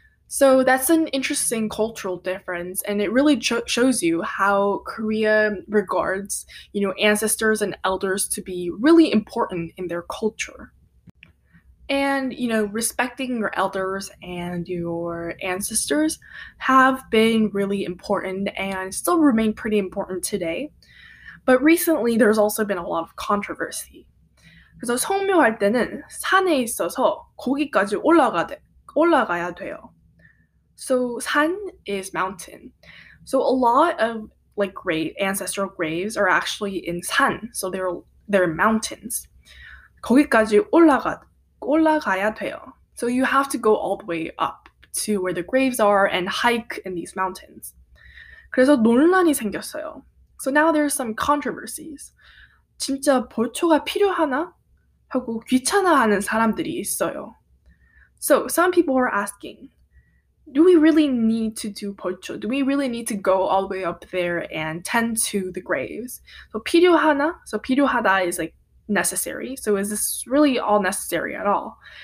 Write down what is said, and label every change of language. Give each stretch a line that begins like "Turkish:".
English: So that's an interesting cultural difference, and it really shows you how Korea regards, you know, ancestors and elders to be really important in their culture. And, you know, respecting your elders and your ancestors have been really important and still remain pretty important today. But recently, there's also been a lot of controversy.
Korean: 그래서 성묘할 때는 산에 있어서 거기까지 올라가야 돼요.
English: So 산 is mountain. So a lot of like great ancestral graves are actually in 산. So they're mountains.
Korean: 거기까지 올라가야 돼요.
English: So you have to go all the way up to where the graves are and hike in these mountains.
Korean: 그래서 논란이 생겼어요.
English: So now there's some controversies.
Korean: 진짜 벌초가 필요하나? 하고 귀찮아하는 사람들이 있어요.
English: So some people are asking, do we really need to do 벌초? Do we really need to go all the way up there and tend to the graves? So 필요하나? So 필요하다 is like necessary. So is this really all necessary at all?